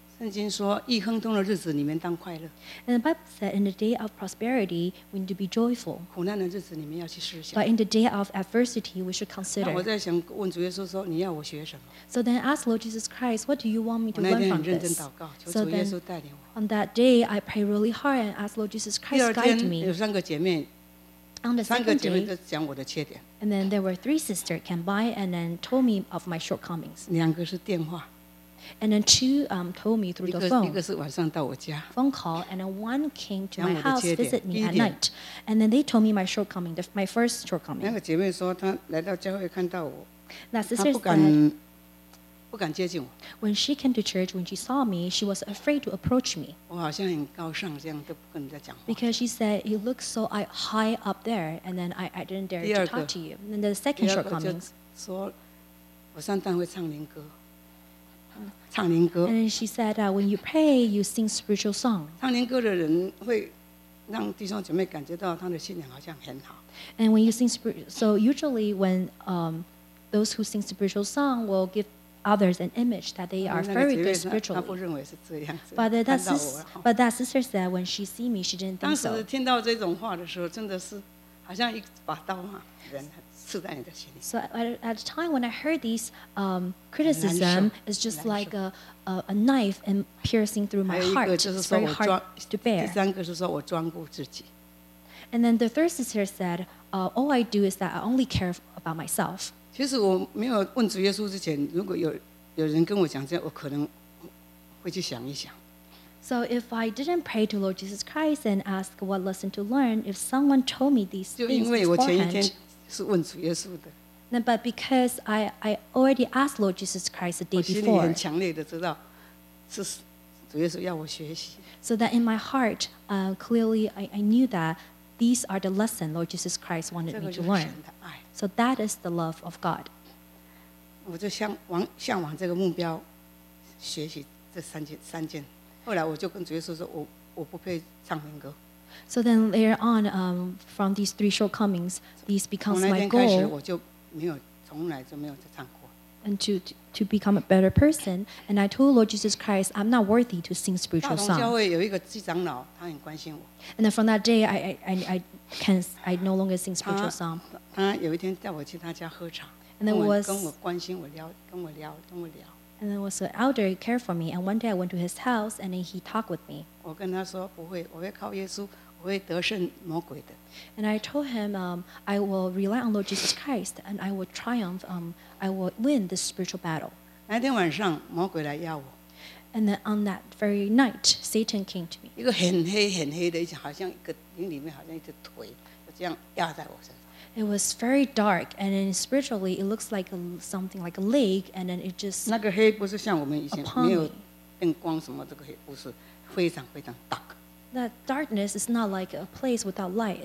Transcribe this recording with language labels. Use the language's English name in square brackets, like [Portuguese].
[Chinese] 圣经说，意亨通的日子，你们当快乐。 [English] And the Bible said, in the day of prosperity, we need to be joyful. [Chinese] 苦难的日子，你们要去思想。 [English] But in the day of adversity, we should consider. [Chinese] 那我在想，问主耶稣说，你要我学什么 [English] ？So then, ask Lord Jesus Christ, what do you want me to learn from this? [Chinese] 我那天很认真祷告，求主耶稣带领我。 [English] On that day, I pray really hard and ask Lord Jesus Christ to guide me. [Chinese] 有三个姐妹。 [English] On the second day, and then there were three sisters came by and then told me of my shortcomings. [Chinese] 两个是电话。 [English] And then two told me through the phone. [Chinese] 一个是晚上到我家。 [English] Phone call, and then one came to my house visit me at night. And then they told me my shortcoming, my first shortcoming. [Chinese] 那个姐妹说她来到教会看到我，那 sister 她不敢。不敢接近我。 [English] When she came to church, when she saw me, she was afraid to approach me. [Chinese] 我好像很高尚，这样都不跟人家讲话。 [English] Because she said, "You look so high up there," and then I didn't dare to talk to you. And the second shortcomings. [Chinese] 说，我上堂会唱灵歌，唱灵歌。 [English] And she said that when you pray, you sing spiritual song. [Chinese] 唱灵歌的人会让弟兄姐妹感觉到他的信仰好像很好。 [English] And when you sing spiritual, so usually when those who sing spiritual song will give others an image that they are very good spiritually. But that sister said when she see me, she didn't think so. [Chinese] 当时听到这种话的时候，真的是好像一把刀啊，人刺在你的心里。 [English] So at the time when I heard these criticism, it's just like a knife and piercing through my heart. It's very hard to bear. [Chinese] 第三个是说我装顾自己。 [English] And then the third sister said, all I do is that I only care about myself. [Chinese] 其实我没有问主耶稣之前，如果 有人跟我讲这样，我可能会去想一想。 [English] So if I didn't pray to Lord Jesus Christ and ask what lesson to learn, if someone told me these things beforehand, [Chinese] 就因为我前一天是问主耶稣的。 [English] 那 but because I already asked Lord Jesus Christ the day before, [Chinese] 我心里很强烈的知道是主耶稣要我学习。 [English] So that in my heart, clearly I knew that these are the lesson Lord Jesus Christ wanted me to learn. So that is the love of God. [Chinese] 我就向往这个目标，学习这三件。后来我就跟主耶稣说，我不配唱民歌。 [English] So then later on, from these three shortcomings, these becomes my goal. [Chinese] 从那天开始，我就没有从来就没有再唱过。 [English] And to become a better person, and I told Lord Jesus Christ, I'm not worthy to sing spiritual songs. [Chinese] 大同教会有一个季长老，他很关心我。 [English] And then from that day, I can't I no longer sing spiritual songs. [Chinese] 他有一天带我去他家喝茶， [English] and then [Chinese] 跟我关心我聊，跟我聊。 [English] And then was an elder who cared for me. And one day I went to his house, and then he talked with me. [Chinese] 我跟他说不会，我会靠耶稣，我会得胜魔鬼的。 [English] And I told him, I will rely on Lord Jesus Christ, and I will triumph. I will win this spiritual battle. [Chinese] 那天晚上魔鬼来要我。 [English] And then on that very night, Satan came to me. [Chinese] 一个很黑很黑的，好像一个灵里面好像一只腿，就这样压在我身上。 [English] It was very dark, and then spiritually, it looks like something like a leg, and then it just. [Chinese] 那个黑不是像我们以前没有灯光什么这个黑，不是非常非常 dark. [English] That darkness is not like a place without light.